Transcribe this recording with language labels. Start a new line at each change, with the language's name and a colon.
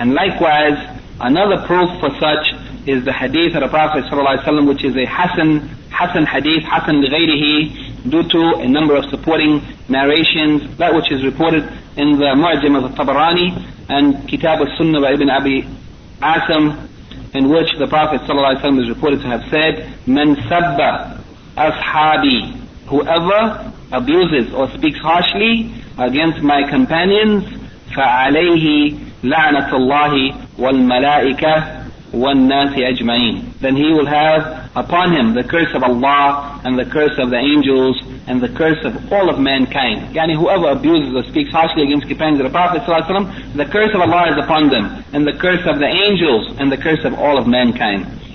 English: And likewise, another proof for such is the hadith of the Prophet sallallahu alaihi wasallam, which is a hasan hadith, hasan lighayrihi, due to a number of supporting narrations, that which is reported in the Mu'jam of Tabarani and Kitab al-Sunnah by Ibn Abi Asim, in which the Prophet sallallahu alaihi wasallam is reported to have said,
Arabic: "Man sabba ashabi,
English: whoever abuses or speaks harshly against my companions, fa'alayhi
Arabic: لعنة الله والملائكة والناس أجمعين.
English: Then he will have upon him the curse of Allah and the curse of the angels and the curse of all of mankind. يعني whoever abuses or speaks harshly against companions of the Prophet ﷺ, the curse of Allah is upon them, and the curse of the angels and the curse of all of mankind.